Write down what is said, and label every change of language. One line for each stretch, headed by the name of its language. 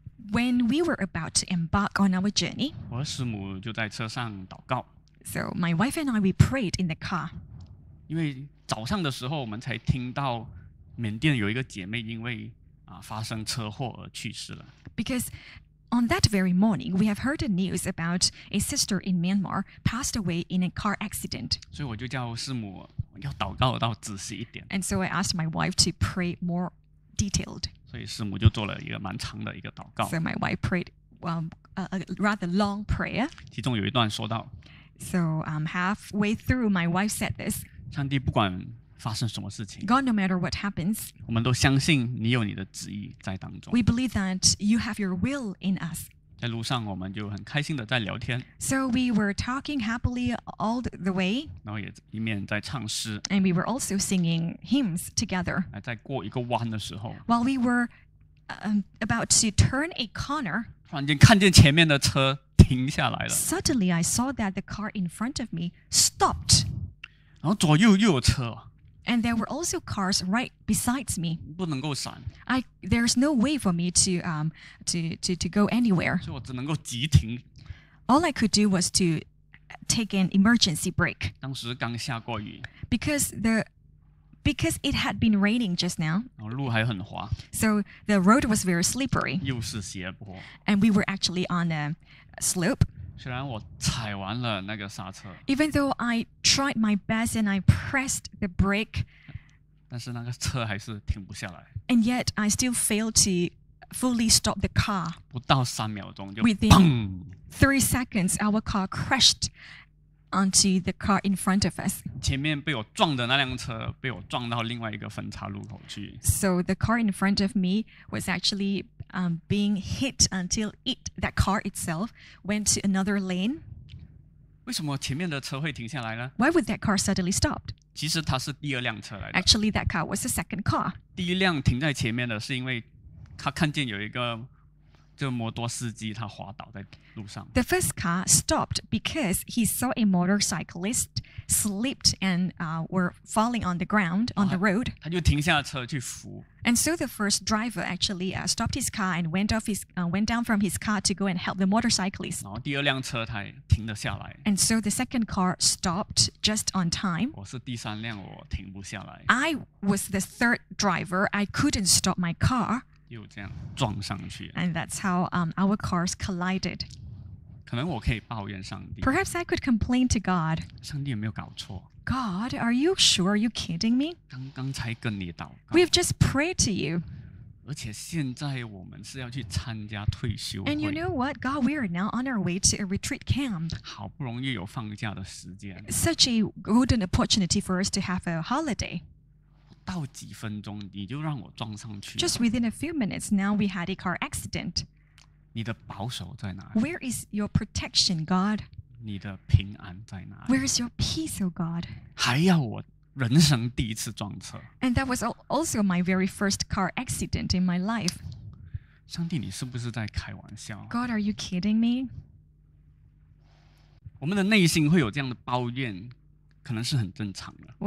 English: When we were about to embark on our journey,
Chinese: 我和师母就在车上祷告。
English: So my wife and I, we prayed in the car.
Chinese: 因为早上的时候我们才听到缅甸有一个姐妹因为发生车祸而去世了。
English: Because on that very morning, we have heard the news about a sister in Myanmar passed away in a car accident.
Chinese: 所以我就叫师母要祷告到仔细一点。
English: And so I asked my wife to pray more detailed.
Chinese: 所以师母就做了一个蛮长的一个祷告。
English: So my wife prayed a rather long prayer.
Chinese: 其中有一段说到。
English: So halfway through, my wife said this.
Chinese: 上帝不管发生什么事情，
English: God, no matter what happens,
Chinese: 我们都相信你有你的旨意在当中。
English: We believe that you have your will in us.
Chinese: 在路上我们就很开心的在聊天。
English: So we were talking happily all the way.
Chinese: 然后也一面在唱诗。
English: And we were also singing hymns together.
Chinese: 在过一个弯的时候。
English: While we were about to turn a corner,
Chinese: 突然间看见前面的车。停下来了。
English: Suddenly, I saw that the car in front of me stopped.
Chinese: 然后左右又有车。
English: And there were also cars right beside me.
Chinese: 不能够闪。
English: There's no way for me to go anywhere.
Chinese: 所以我只能够急停。
English: All I could do was to take an emergency brake.
Chinese: 当时刚下过雨。
English: Because it had been raining just now,
Chinese: 然后路还很滑。
English: So the road was very slippery.
Chinese: 又是斜坡。
English: And we were actually on a slope.
Chinese: 虽然我踩完了那个刹车。
English: Even though I tried my best and I pressed the brake,
Chinese: 但是那个车还是停不下来。
English: And yet I still failed to fully stop the car.
Chinese: 不到三秒钟就
English: 砰。Within 3 seconds, our car crashed onto the car in front of us.
Chinese: 前面被我撞的那辆车被我撞到另外一个分叉路口去。
English: So the car in front of me was actually being hit until it, that car itself went to another lane.
Chinese: 为什么前面的车会停下来呢？
English: Why would that car suddenly stopped?
Chinese: 其实它是第二辆车来的。
English: Actually, that car was the second car.
Chinese: 第一辆停在前面的是因为他看见有一个就摩托司机他滑倒在路上。
English: The first car stopped because he saw a motorcyclist slipped and were falling on the ground on the road.
Chinese: 他就停下车去扶。
English: And so the first driver actually stopped his car and went down from his car to go and help the motorcyclist.
Chinese: 然后第二辆车他停了下来。
English: And so the second car stopped just on time.
Chinese: 我是第三辆，我停不下来。
English: I was the third driver. I couldn't stop my car.
Chinese: 又这样撞上去。
English: And that's how our cars collided.
Chinese: 可能我可以抱怨上帝。
English: Perhaps I could complain to God.
Chinese: 上帝有没有搞错？
English: God, are you sure? Are you kidding me?
Chinese: 刚才跟你祷告。
English: We've just prayed to you.
Chinese: 而且现在我们是要去参加退休会。
English: And you know what? God, we are now on our way to a retreat camp.
Chinese: 好不容易有放假的时间。
English: Such a golden opportunity for us to have a holiday.
Chinese: 到几分钟你就让我撞上去。
English: Just within a few minutes, now we had a car accident.
Chinese: 你的保守在哪里？
English: Where is your protection, God?
Chinese: 你的平安在哪里？
English: Where is your peace, oh God?
Chinese: 还要我人生第一次撞车。
English: And that was also my very first car accident in my life.
Chinese: 上帝，你是不是在开玩笑？
English: God, are you kidding me?
Chinese: 我们的内心会有这样的抱怨可能是很正常的。